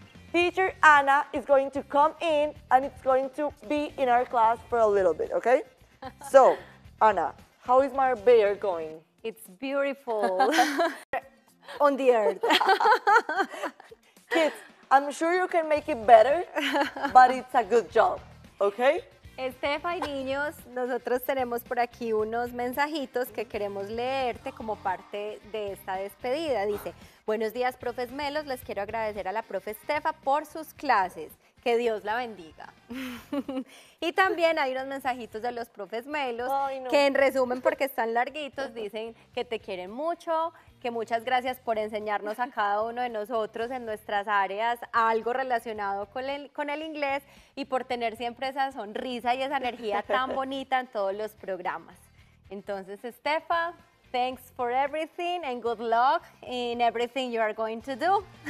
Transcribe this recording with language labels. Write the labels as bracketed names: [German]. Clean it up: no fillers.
[English] Teacher Anna is going to come in and it's going to be in our class for a little bit, okay? So, Ana, how is my bear going? It's beautiful. On the earth. Kids, I'm sure you can make it better, but it's a good job, okay? [Spanish] Estefa y niños, nosotros tenemos por aquí unos mensajitos que queremos leerte como parte de esta despedida. Dice, buenos días, profes Melos, les quiero agradecer a la profe Estefa por sus clases. Que Dios la bendiga. Y también hay unos mensajitos de los profes Melos, que en resumen, porque están larguitos, dicen que te quieren mucho, que muchas gracias por enseñarnos a cada uno de nosotros en nuestras áreas algo relacionado con el inglés y por tener siempre esa sonrisa y esa energía tan bonita en todos los programas. [English] Entonces, Estefa, thanks for everything and good luck in everything you are going to do.